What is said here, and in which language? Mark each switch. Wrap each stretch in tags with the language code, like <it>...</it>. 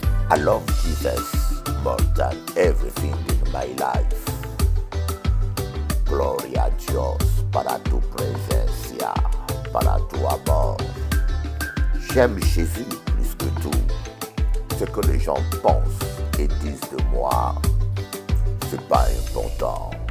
<en>I love Jesus more than everything in my life.</en> <es>Gloria a Dios para tu presencia, para tu amor.</es> <fr>J'aime Jesús plus que tout. ce que les gens pensent et disent de moi, c'est pas important.</fr>